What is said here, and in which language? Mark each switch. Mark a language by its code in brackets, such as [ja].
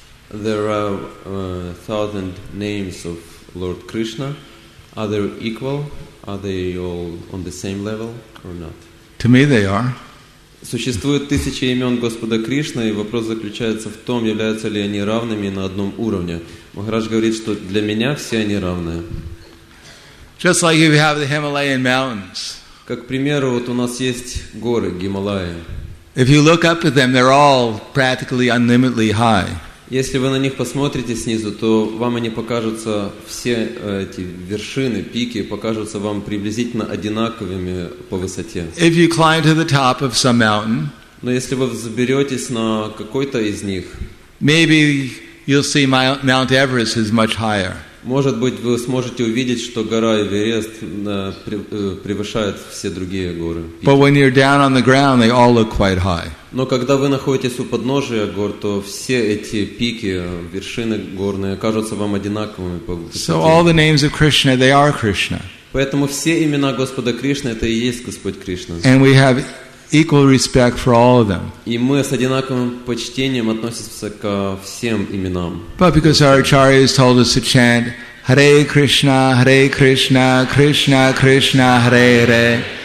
[en] There are thousand names of Lord Krishna. Are they equal? Are they all on the same level or not? To me, they are. [ru] Существует тысячи имен Господа Кришны, и вопрос заключается в том, являются ли они равными на одном уровне. Махарадж говорит, что для меня все они равны. [en] Just like if you have the Himalayan mountains. [ru] Как примеру, вот у нас есть горы Гималаи. [en] If you look up at them, they're all practically unlimitedly high. [ru] Если вы на них посмотрите снизу, то вам они покажутся, все эти вершины, пики, покажутся вам приблизительно одинаковыми по высоте. [en] If you climb to the top of some mountain, [ru] но если вы взберетесь на какой-то из них, [en] maybe you'll see Mount Everest is much higher. [ru] Может быть, вы сможете увидеть, что гора Эверест превышает все другие горы. [en] But when you're down on the ground, they all look quite high. [ru] Но когда вы находитесь у подножия гор, то все эти пики, вершины горные, кажутся вам одинаковыми. [en] So all the names of Krishna, they are Krishna. [ru] Поэтому все имена Господа Кришны, это и есть Господь Кришна. [en] And we have equal respect for all of them. [ru] И мы с одинаковым почтением относимся ко всем именам. [en] But because our acharyas told us to chant Hare Krishna, Krishna Krishna, Hare Hare.